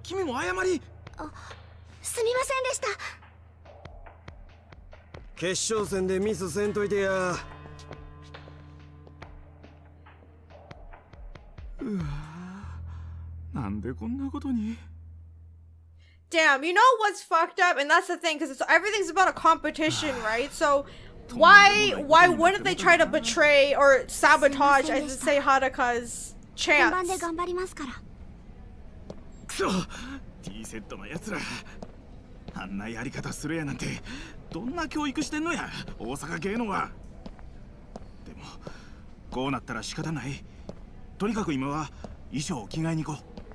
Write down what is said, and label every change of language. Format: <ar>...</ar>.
<ja>君も謝り。あ、すみませんでした。決勝戦でミスせんといてや。うわ、なんでこんなことに。</ja> <en>Damn, you know what's fucked up? And that's the thing, because everything's about a competition, right? So, why wouldn't they try to betray or sabotage, I just say, Haruka's chance?</en> <ja>本番で頑張りますから。くそ、Tセットの奴ら。あんなやり方するやなんて、どんな教育してんのや、大阪芸能は。でも、こうなったら仕方ない。とにかく今は、衣装を着替えに行こう。</ja>